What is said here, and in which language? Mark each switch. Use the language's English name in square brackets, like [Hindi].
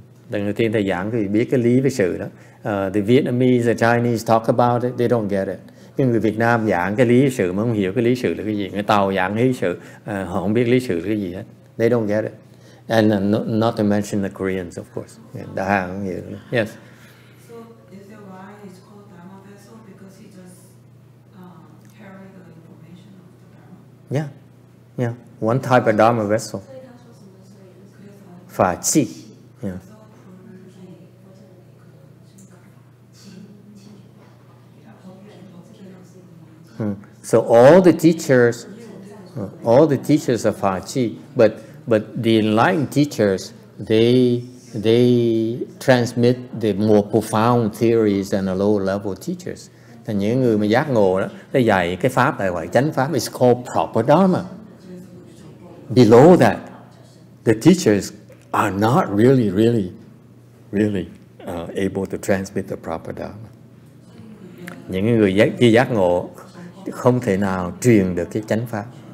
[Vietnamese] Lần đầu tiên thầy giảng cái vị biết cái lý với sự đó. [English] The Vietnamese, the Chinese talk about it, they don't get it. [Vietnamese] Nhưng người Việt Nam giảng cái lý sự mà không hiểu cái lý sự là cái gì. Người Tàu giảng lý sự, họ không biết lý sự là cái gì hết. [English] They don't get it. And not to mention the Koreans, of course. Yeah, [Vietnamese] the Hàn không hiểu. [English] Yes. So is that why it's called Dharma vessel? Because he just carry the information of the Dharma? Yeah. Yeah. One type of Dharma vessel. Phả chi. Yeah. So all the teachers, all the teachers are Fa Chi, but the enlightened teachers, they transmit the more profound theories than the lower level teachers. [Vietnamese] Thành những người mà giác ngộ đó, they dạy cái pháp đại gọi chánh pháp [English] is called proper dharma. Below that, the teachers are not really, really, really able to transmit the proper dharma. [Vietnamese] Những người giác ngộ không thể nào truyền được cái chánh pháp.